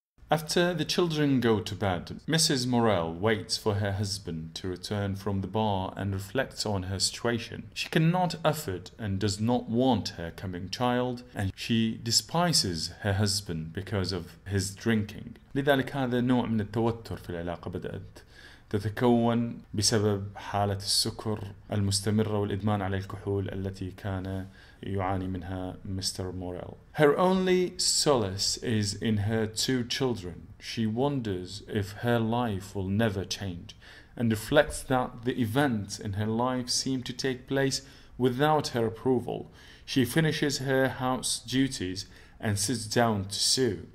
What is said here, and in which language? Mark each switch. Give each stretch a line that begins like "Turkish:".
English: After the children go to bed, Mrs. Morel waits for her husband to return from the bar and reflects on her situation. She cannot afford and does not want her coming child, and she despises her husband because of his drinking.
Arabic: لذلك هذا نوع من التوتر في العلاقة بدأت تتكون بسبب حالة السكر المستمرة والإدمان على الكحول التي كان يعاني منها Mr.
English: Morel. Her only solace is in her two children. She wonders if her life will never change and reflects that the events in her life seem to take place without her approval. She finishes her house duties and sits down to sew.